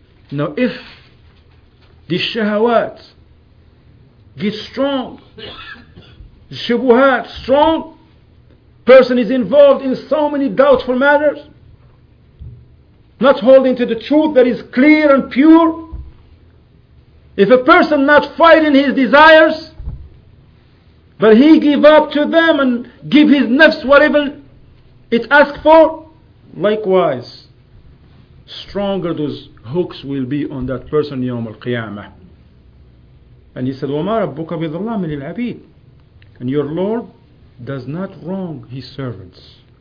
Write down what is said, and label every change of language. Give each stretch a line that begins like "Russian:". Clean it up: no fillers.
English: Now if the shahawat get strong, the shubuhat strong, person is involved in so many doubtful matters, not holding to the truth that is clear and pure, if a person not fighting his desires, but he give up to them and give his nafs whatever it asks for, likewise, stronger those hooks will be on that person يوم القيامة. And he said,
Arabic: وَمَا رَبُّكَ بِظَلَّامِ لِلْعَبِيدِ.
English: And your Lord does not wrong his servants.